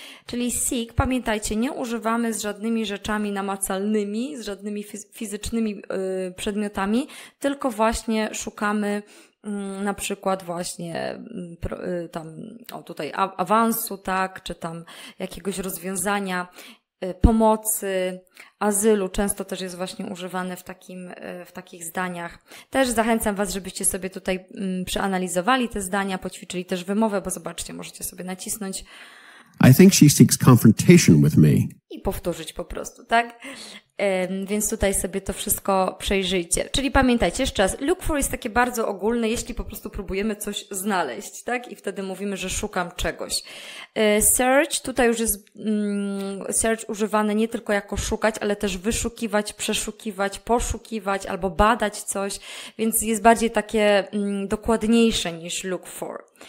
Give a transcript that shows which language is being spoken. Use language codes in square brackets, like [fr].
[pl] Czyli seek, pamiętajcie, nie używamy z żadnymi rzeczami namacalnymi, z żadnymi fizycznymi przedmiotami, tylko właśnie szukamy na przykład właśnie tam, tutaj awansu, tak, czy tam jakiegoś rozwiązania, pomocy, azylu, często też jest właśnie używane w takich zdaniach. Też zachęcam Was, żebyście sobie tutaj przeanalizowali te zdania, poćwiczyli też wymowę, bo zobaczcie, możecie sobie nacisnąć. [en] I think she seeks confrontation with me. [pl] I powtórzyć po prostu, tak? Więc tutaj sobie to wszystko przejrzyjcie. Czyli pamiętajcie, jeszcze raz, look for jest takie bardzo ogólne, jeśli po prostu próbujemy coś znaleźć, tak? I wtedy mówimy, że szukam czegoś. Search, tutaj już jest search używane nie tylko jako szukać, ale też wyszukiwać, przeszukiwać, poszukiwać albo badać coś, więc jest bardziej takie dokładniejsze niż look for.